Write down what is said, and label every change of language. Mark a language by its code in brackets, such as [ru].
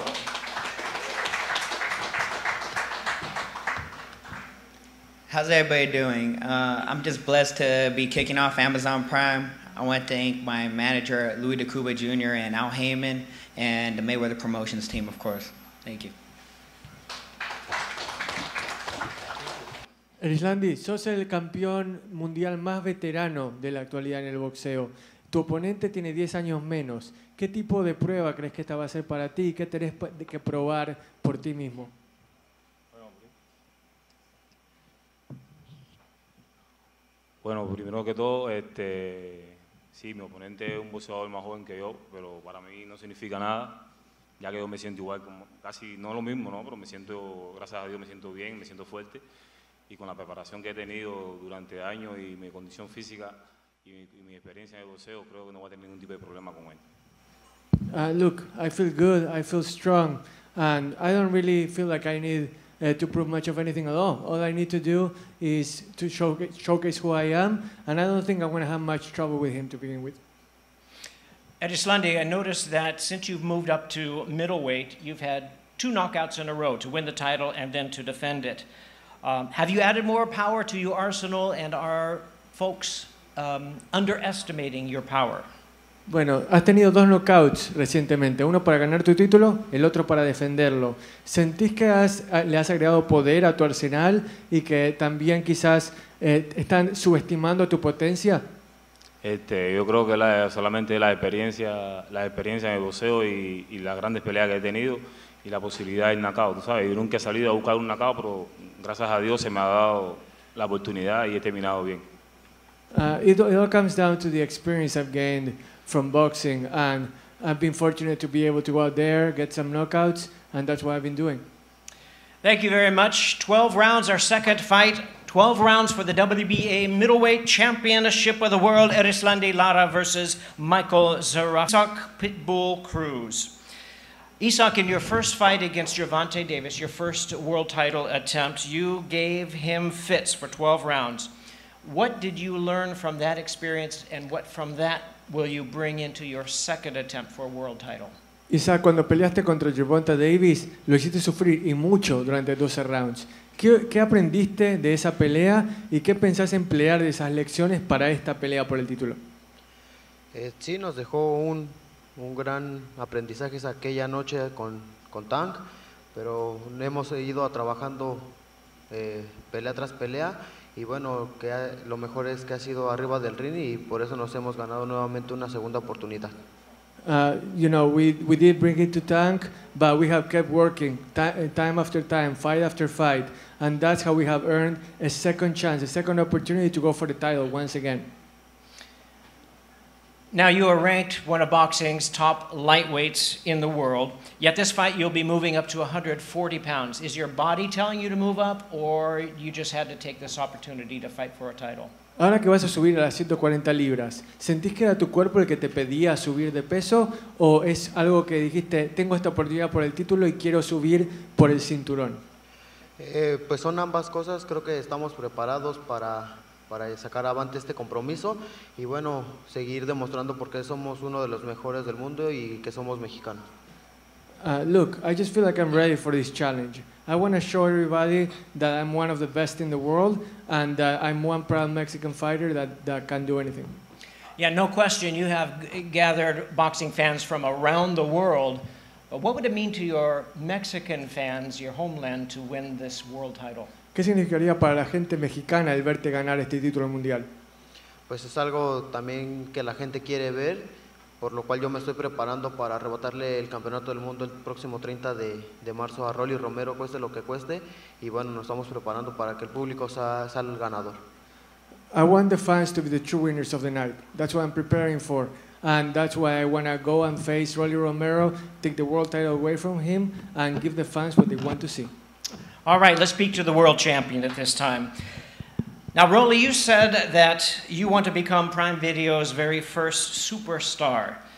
[en] How's everybody doing? I'm just blessed to be kicking off Amazon Prime. I want to thank my manager, Louis DeCuba Jr. and Al Heyman, and the Mayweather Promotions team, of course. Thank you. [es] Erislandy, sos el campeón mundial más veterano de la actualidad en el boxeo. Tu oponente tiene 10 años menos. ¿Qué tipo de prueba crees que esta va a ser para ti? ¿Qué tenés que probar por ti mismo? Bueno, primero que todo, sí, mi oponente es un boxeador más joven que yo, pero para mí no significa nada, ya que yo me siento igual, como casi no lo mismo, ¿no? Pero me siento, gracias a Dios, me siento bien, me siento fuerte. Y con la preparación que he tenido durante años y mi condición física y mi experiencia en el boxeo, creo que no voy a tener ningún tipo de problema con él. [en] Look, I feel good, I feel strong, and I don't really feel like I need to prove much of anything at all. All I need to do is to showcase who I am, and I don't think I'm going to have much trouble with him to begin with. Erislandy, I noticed that since you've moved up to middleweight, you've had two knockouts in a row to win the title and then to defend it. Have you added more power to your arsenal, and are folks underestimating your power? [es] Bueno, has tenido dos knockouts recientemente, uno para ganar tu título, el otro para defenderlo. ¿Sentís que le has agregado poder a tu arsenal y que también quizás están subestimando tu potencia? Yo creo que solamente la experiencia en el boxeo y las grandes peleas que he tenido y la posibilidad del knockout, tú sabes, yo nunca he salido a buscar un knockout, pero gracias a Dios se me ha dado la oportunidad y he terminado bien. [en] It all comes down to the experience I've gained from boxing, and I've been fortunate to be able to go out there, get some knockouts, and that's what I've been doing. Thank you very much. 12 rounds, our second fight. 12 rounds for the WBA middleweight championship of the world, Erislandy Lara versus Michael Zerafa, Pitbull Cruz. Isak, in your first fight against Gervonta Davis, your first world title attempt, you gave him fits for 12 rounds. What did you learn from that experience, and what from that will you bring into your second attempt for a world title? [es] Isaac, cuando peleaste contra Gervonta Davis, lo hiciste sufrir y mucho durante 12 rounds. ¿Qué aprendiste de esa pelea y qué pensás emplear de esas lecciones para esta pelea por el título? Sí, nos dejó un gran aprendizaje esa aquella noche con Tank, pero hemos ido trabajando pelea tras pelea. Y bueno, que lo mejor es que ha sido arriba del ring y por eso nos hemos ganado nuevamente una segunda oportunidad. [en] You know, we did bring it to Tank, but we have kept working time after time, fight after fight, and that's how we have earned a second chance, a second opportunity to go for the title once again. Now, you are ranked one of boxing's top lightweights in the world, yet this fight you'll be moving up to 140 pounds. Is your body telling you to move up, or you just had to take this opportunity to fight for a title? [es] Ahora que vas a subir a las 140 libras, ¿sentís que era tu cuerpo el que te pedía subir de peso, o es algo que dijiste, tengo esta oportunidad por el título y quiero subir por el cinturón? Pues son ambas cosas. Creo que estamos preparados para sacar avante este compromiso y bueno, seguir demostrando por qué somos uno de los mejores del mundo y que somos mexicanos. [en] Look, I just feel like I'm ready for this challenge. I want to show everybody that I'm one of the best in the world and that I'm one proud Mexican fighter that can do anything. Yeah, no question. You have gathered boxing fans from around the world. But what would it mean to your Mexican fans, your homeland, to win this world title? [es] ¿Qué significaría para la gente mexicana el verte ganar este título mundial? Pues es algo también que la gente quiere ver, por lo cual yo me estoy preparando para arrebatarle el campeonato del mundo el próximo 30 de marzo a Rolly Romero, cueste lo que cueste, y bueno, nos estamos preparando para que el público sea el ganador. [en] I want the fans to be the true winners of the night. That's what I'm preparing for. And that's why I want to go and face Rolly Romero, take the world title away from him, and give the fans what they want to see. All right, let's speak to the world champion at this time. Now, Rolly, you said that you want to become Prime Video's very first superstar.